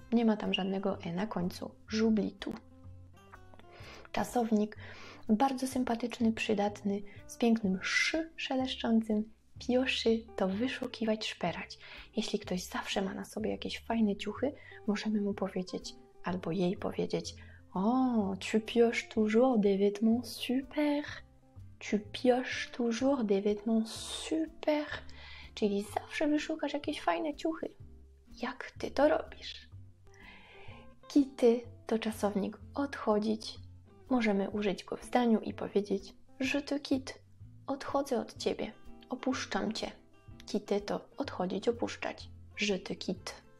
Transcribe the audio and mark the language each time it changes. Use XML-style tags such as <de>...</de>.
<pl>Nie ma tam żadnego e na końcu.</pl> <fr>J'oublie tout.</fr> <pl>Czasownik bardzo sympatyczny, przydatny, z pięknym sz szeleszczącym. Piocher to wyszukiwać, szperać. Jeśli ktoś zawsze ma na sobie jakieś fajne ciuchy, możemy mu powiedzieć, albo jej powiedzieć: o,</pl> <fr>tu pioches toujours des vêtements super. Tu pioches toujours des vêtements super.</fr> <pl>Czyli zawsze wyszukasz jakieś fajne ciuchy. Jak ty to robisz? Quitter to czasownik odchodzić. Możemy użyć go w zdaniu i powiedzieć:</pl> <fr>je te quitte.</fr> <pl>Odchodzę od ciebie. Opuszczam cię. Quitter to odchodzić, opuszczać.</pl> <fr>Je te quitte.</fr>